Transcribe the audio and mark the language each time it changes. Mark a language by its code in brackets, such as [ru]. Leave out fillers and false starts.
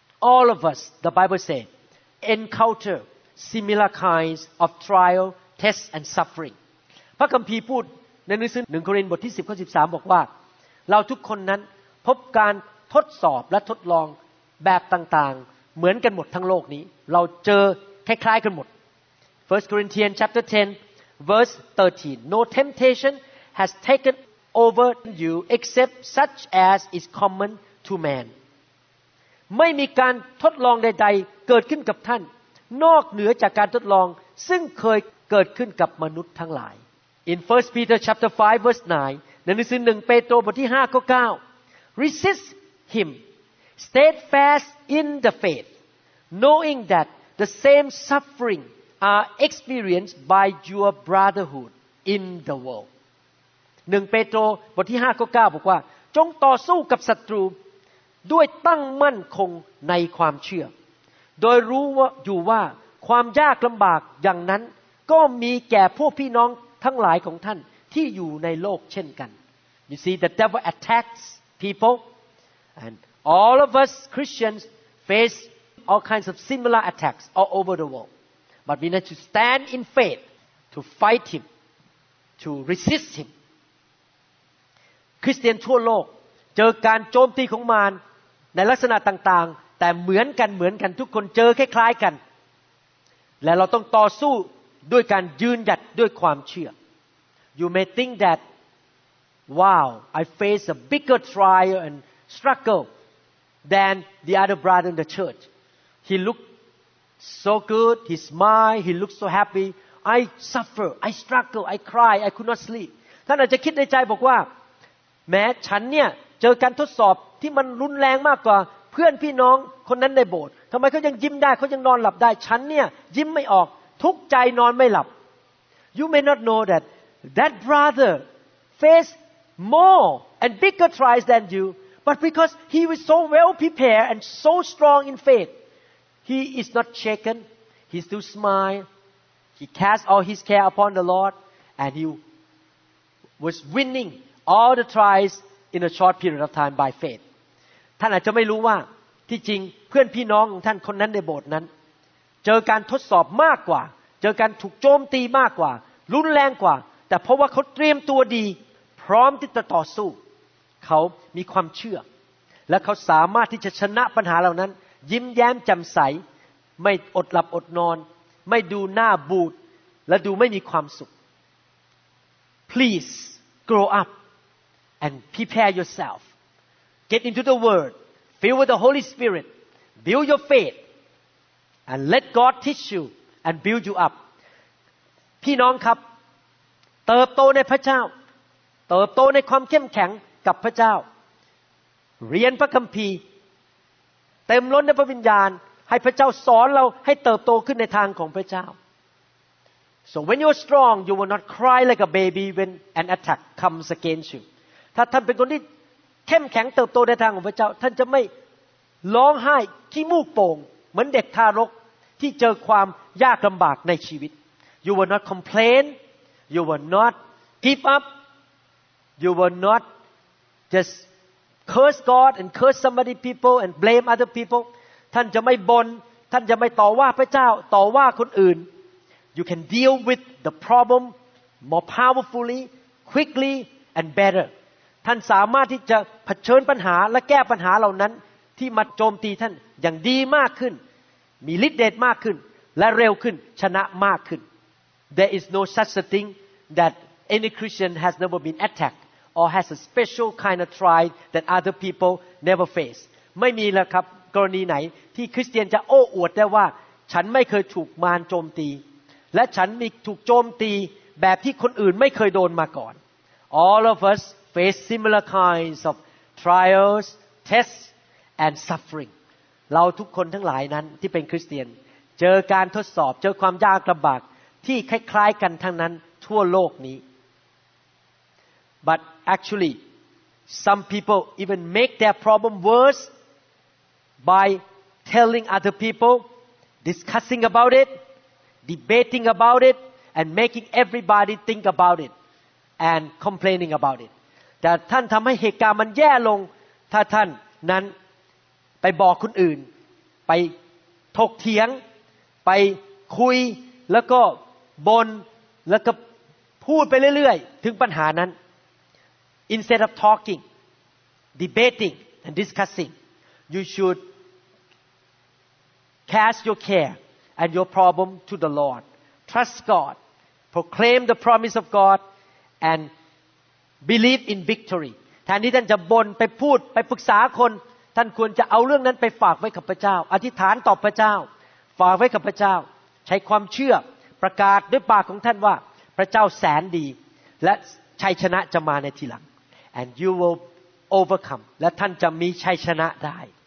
[en] All of us the Bible says encounter similar kinds of trial test and suffering [th] พระคัมภีร์พูดในหนังสือ1โครินธ์บทที่10ข้อ13บอกว่าเราทุกคนนั้นพบการทดสอบและทดลองแบบต่างๆเหมือนกันหมดทั้งโลกนี้เราเจอคล้ายๆกันหมด [en] 1 Corinthians chapter 10 verse 13 No temptation has taken over you except such as is common to man. [th] ไม่มีการทดลองใดๆเกิดขึ้นกับท่านนอกเหนือจากการทดลองซึ่งเคยเกิดขึ้นกับมนุษย์ทั้งหลาย [en] In 1 Peter chapter 5 verse 9 [th] ในหนังสือ1เปโตรบทที่5ข้อ9 [en] Resist him steadfast in the faith knowing that the same suffering are experienced by your brotherhood in the world [th] 1 เปโตรบทที่5ข้อ9บอกว่าจงต่อสู้กับศัตรูด้วยตั้งมั่นคงในความเชื่อโดยรู้ว่าอยู่ว่าความยากลำบากอย่างนั้นก็มีแก่พวกพี่น้องทั้งหลายของท่านที่อยู่ในโลกเช่นกัน [en] You see the devil attacks people and all of us Christians face all kinds of similar attacks all over the world but we need to stand in faith to fight him to resist him [th] คริสเตียนทั่วโลกเจอการโจมตีของมารในลักษณะต่างๆแต่เหมือนกันทุกคนเจอคล้ายๆกันและเราต้องต่อสู้ด้วยการยืนหยัดด้วยความเชื่อ [en] You may think that wow I face a bigger trial and struggle than the other brother in the church He looked so good he smiled he looked so happy I suffer I struggle I cry I could not sleep [th] ท่านอาจจะคิดในใจบอกว่าแม้ฉันเนี่ยเจอการทดสอบที่มันรุนแรงมากกว่าเพื่อนพี่น้องคนนั้นในโบสถ์ทำไมเขายังยิ้มได้เขายังนอนหลับได้ฉันเนี่ยยิ้มไม่ออกทุกข์ใจนอนไม่หลับ [en] You may not know that that brother faced more and bigger trials than you but because he was so well prepared and so strong in faith he is not shaken he still smile he cast all his care upon the Lord and he was winning all the trialsin a short period of time by faith [th] ท่านอาจจะไม่รู้ว่าที่จริงเพื่อนพี่น้องของท่านคนนั้นในโบสถ์นั้นเจอการทดสอบมากกว่าเจอการถูกโจมตีมากกว่ารุนแรงกว่าแต่เพราะว่าเขาเตรียมตัวดีพร้อมที่จะต่อสู้เขามีความเชื่อและเขาสามารถที่จะชนะปัญหาเหล่านั้นยิ้มแย้มแจ่มใสไม่อดหลับอดนอนไม่ดูหน้าบูดและดูไม่มีความสุข [en] please grow upAnd prepare yourself. Get into the Word. Fill with the Holy Spirit. Build your faith. And let God teach you and build you up. [th] พี่น้องครับเติบโตในพระเจ้าเติบโตในความเข้มแข็งกับพระเจ้าเรียนพระคัมภีร์เต็มล้นในพระวิญญาณให้พระเจ้าสอนเราให้เติบโตขึ้นในทางของพระเจ้า [en] So when you're strong, you will not cry like a baby when an attack comes against you. [th] ถ้าท่านเป็นคนที่เข้มแข็งเติบโตในทางของพระเจ้าท่านจะไม่ร้องไห้ขี้มูกโป่งเหมือนเด็กทารกที่เจอความยากลำบากในชีวิต [en] You will not complain You will not give up You will not just curse God and curse somebody people and blame other people [th] ท่านจะไม่บ่นท่านจะไม่ต่อว่าพระเจ้าต่อว่าคนอื่น [en] You can deal with the problem more powerfully quickly and better [th] ท่านสามารถที่จะเผชิญปัญหาและแก้ปัญหาเหล่านั้นที่มาโจมตีท่านอย่างดีมากขึ้นมีฤทธิ์เดชมากขึ้นและเร็วขึ้นชนะมากขึ้น [en] There is no such thing that any Christian has never been attacked or has a special kind of trial that other people never face [th] ไม่มีแล้วครับกรณีไหนที่คริสเตียนจะโอ้อวดได้ว่าฉันไม่เคยถูกมารโจมตีและฉันมีถูกโจมตีแบบที่คนอื่นไม่เคยโดนมาก่อน [en] All of usface similar kinds of trials, tests, and suffering. [th] เราทุกคนทั้งหลายนั้นที่เป็นคริสเตียนเจอการทดสอบเจอความยากลำบากที่คล้ายๆกันทั้งนั้นทั่วโลกนี้ [en] But actually, some people even make their problem worse by telling other people, discussing about it, debating about it, and making everybody think about it and complaining about it. [th] แต่ท่านทำให้เหตุการณ์มันแย่ลงถ้าท่านนั้นไปบอกคนอื่นไปถกเถียงไปคุยแล้วก็บ่นแล้วก็พูดไปเรื่อยๆถึงปัญหานั้น [en] instead of talking debating and discussing you should cast your care and your problem to the Lord trust God proclaim the promise of God and believe in victory [th] แทนที่ท่านจะบ่นไปพูดไปปรึกษาคนท่านควรจะเอาเรื่องนั้นไปฝากไว้กับพระเจ้าอธิษฐานต่อพระเจ้าฝากไว้กับพระเจ้าใช้ความเชื่อประกาศด้วยปากของท่านว่าพระเจ้าแสนดีและชัยชนะจะมาในทีหลัง [en] and you will overcome [th] และท่านจะมีชัยชนะได้